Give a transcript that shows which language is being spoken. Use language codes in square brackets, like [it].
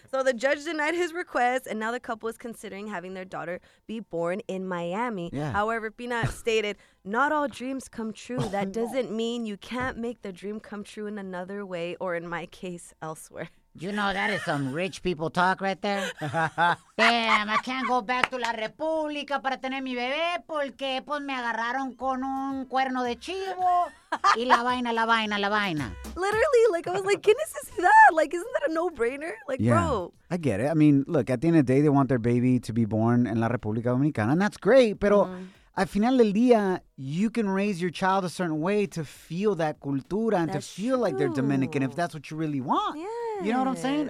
[en] So the judge denied his request, and now the couple is considering having their daughter be born in Miami. Yeah. However, Pina stated, not all dreams come true. That doesn't mean you can't make the dream come true in another way, or in my case, elsewhere. You know, that is some rich people talk right there. Damn, I can't go back to [es] La República para tener mi bebé porque pues me agarraron con un cuerno de chivo y la vaina, la vaina, la vaina. [en] Literally, like, I was like, [es] ¿qué necesidad? [en] Like, isn't that a no-brainer? Like, yeah, bro. I get it. I mean, look, at the end of the day, they want their baby to be born in La República Dominicana, and that's great, [es] pero al final del día, [en] you can raise your child a certain way to feel that cultura and that's to feel true. Like they're Dominican if that's what you really want. Yeah. You know what I'm saying?